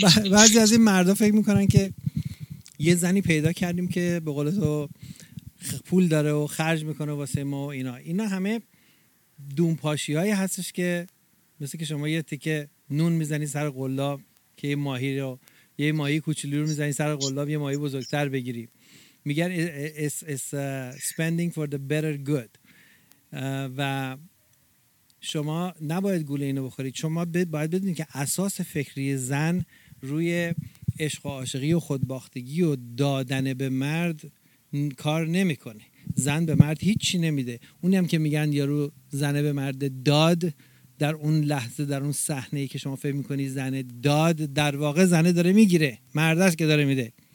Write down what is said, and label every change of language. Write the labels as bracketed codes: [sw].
[fa] بعضی از این مردا فکر میکنن که یه زنی پیدا کردیم که به قول تو پول داره و خرج میکنه واسه ما و اینا. اینا همه دونپاشی هایی هستش که مثل که شما یه تیکه نون میزنی سر قلاب که یه ماهی رو، یه ماهی کوچولو رو میزنی سر قلاب یه ماهی بزرگتر بگیری. میگن [en] it's spending for the better good. [fa] و شما نباید گول اینو بخورید. شما باید بدونید که اساس فکری زن روی عشق و عاشقی و خودباختگی و دادن به مرد کار نمیکنه. زن به مرد هیچی نمیده. اونی هم که میگن یارو زنه به مرد داد، در اون لحظه در اون صحنه ای که شما فکر میکنی زنه داد، در واقع زنه داره میگیره، مردش که داره میده.